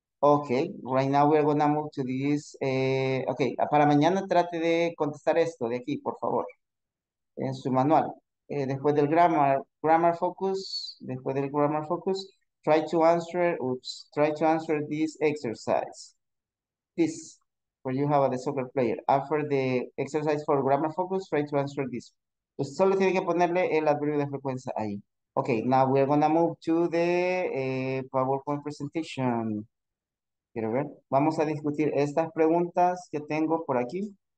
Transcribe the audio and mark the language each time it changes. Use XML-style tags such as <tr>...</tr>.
<en>Okay, right now we're gonna move to this.</en> <es>Okay, para mañana trate de contestar esto de aquí, por favor, en su manual. Después del grammar focus. Después del grammar focus,</es> <en>try to answer. Oops, try to answer this exercise. This where you have the soccer player. After the exercise for grammar focus, try to answer this.</en> <es>Pues solo tiene que ponerle el adverbio de frecuencia ahí.</es> <en>Okay, now we're gonna move to the PowerPoint presentation.</en> <es>Quiero ver. Vamos a discutir estas preguntas que tengo por aquí.</es>